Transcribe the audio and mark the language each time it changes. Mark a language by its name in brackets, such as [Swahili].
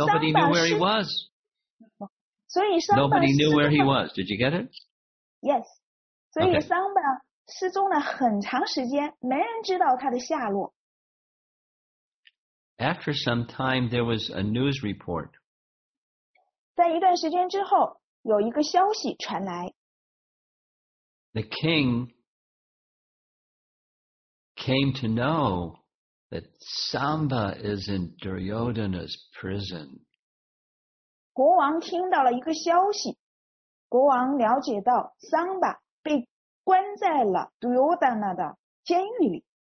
[English] Nobody knew where he was. Nobody knew where he was. Did you get it? [Chinese] Yes. 所以 Samba 失踪了很长时间，没人知道他的下落。 [English] After some time, there was a news report. [Chinese] 在一段时间之后，有一个消息传来。 [English] The king came to know that Samba is in Duryodhana's prison. [Chinese] 国王听到了一个消息，国王了解到桑巴被关在了 Duryodhana 的监狱里。